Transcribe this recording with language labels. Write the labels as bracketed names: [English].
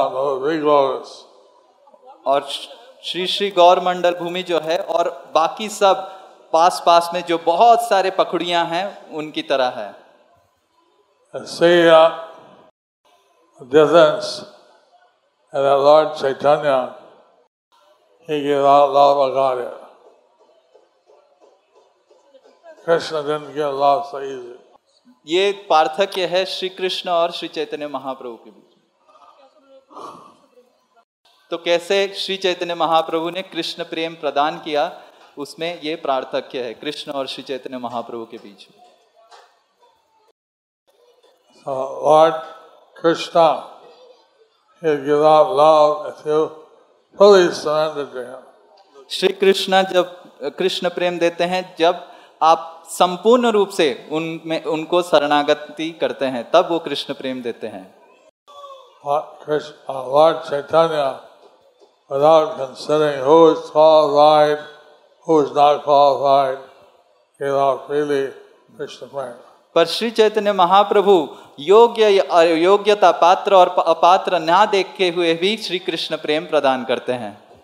[Hindi] और श्री श्री गौर मंडल भूमि जो है और बाकी सब पास पास में जो बहुत सारे पकड़ियां हैं उनकी तरह है। [English] And the Lord Chaitanya, he gave out love of God. Krishna didn't give love so easy. [Hindi] ये पार्थक्य है श्री कृष्ण और श्री चैतन्य महाप्रभु के बीच। तो कैसे श्री चैतन्य महाप्रभु ने कृष्ण प्रेम प्रदान किया उसमें ये पार्थक्य है कृष्ण और श्री चैतन्य महाप्रभु के बीच। [English] Lord Krishna, he gives out love if you fully surrender to him. [Hindi] Shri Krishna जब कृष्ण प्रेम देते हैं जब आप संपूर्ण रूप से उनमें उनको शरणागति करते हैं तब वो कृष्ण प्रेम देते हैं। [English] Lord Chaitanya, without considering who is qualified, who is not qualified, gives out freely Krishna prem. [Hindi] पर श्री चैतन्य महाप्रभु योग्य योग्यता पात्र और अपात्र ना देखे हुए भी श्री कृष्ण प्रेम प्रदान करते हैं।